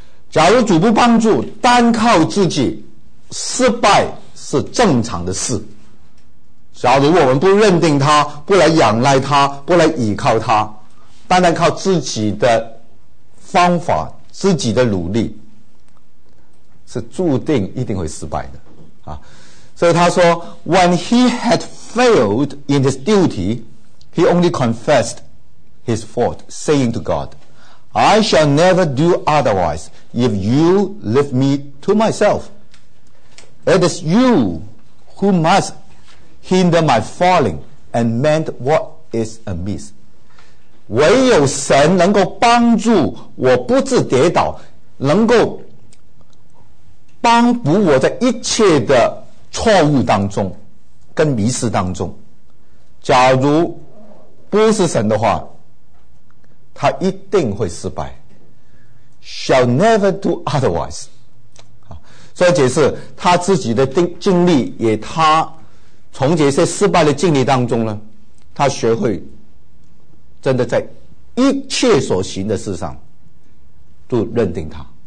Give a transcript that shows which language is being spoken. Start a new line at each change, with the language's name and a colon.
Chinese: 假如主不帮助，单靠自己失败是正常的事。假如我们不认定他，不来仰赖他，不来依靠他，单单靠自己的方法自己的努力，是注定一定会失败的啊！所以他说
English: When he had failed in his duty he only confessed his fault saying to God I shall never do otherwise if you leave me to myself it is you who must hinder my falling and mend what is amiss
Chinese: 唯有神能够帮助我不致跌倒，能够帮补我在一切的错误当中跟迷失当中。假如不是神的话，他一定会失败。
English: shall never do otherwise。
Chinese: 所以解释他自己的经历，也他从这些失败的经历当中呢，他学会真的在一切所行的事上都认定他。